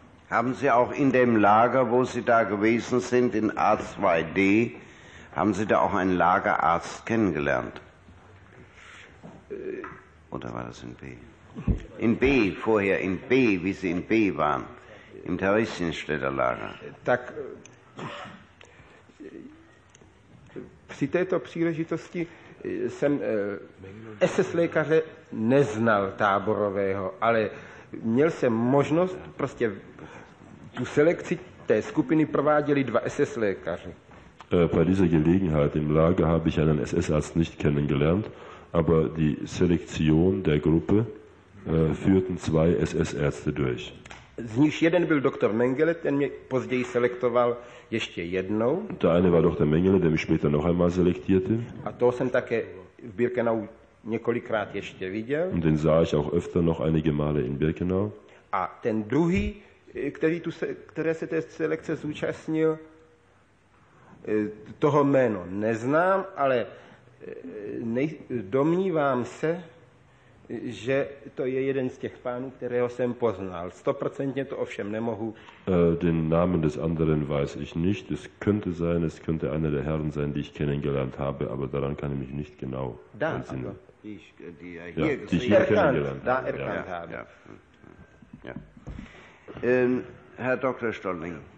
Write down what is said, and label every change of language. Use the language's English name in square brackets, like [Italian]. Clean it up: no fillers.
[German] Haben Sie auch in dem Lager, wo Sie da gewesen sind, in A2D, haben Sie da auch einen Lagerarzt kennengelernt? Oder war das in B? In B, vorher in B, wie Sie in B waren. Im Theresienstädter Lager. [Czech] Tak při této příležitosti jsem SS-lékaře neznal táborového, ale měl jsem možnost, prostě tu selekci té skupiny prováděli dva SS-lékaři. [German] Bei dieser Gelegenheit im Lager habe ich einen SS-Arzt nicht kennengelernt, aber die Selektion der Gruppe führten zwei SS-Ärzte durch. [Czech] Z nichž jeden byl doktor Mengele, ten mě později selektoval ještě jednou. [German] Der eine war doktor Mengele, der mich später noch einmal selektierte. [Czech] A toho jsem také v Birkenau několikrát ještě viděl. [German] Und den sah ich auch öfter noch einige Male in Birkenau. [Czech] A ten druhý, který se té selekce zúčastnil, toho jméno neznám, ale domnívám se, že to je jeden z těch pánů, kterého jsem poznal. 100% to ovšem nemohu. [German] Den Namen des anderen weiß ich nicht. Es könnte einer der Herren sein, die ich kennengelernt habe, aber daran kann ich mich nicht genau erinnern. Da, ja, die ich hier erkannt, da erkannt ja. habe. Ja. Ja. Herr Dr. Stolling.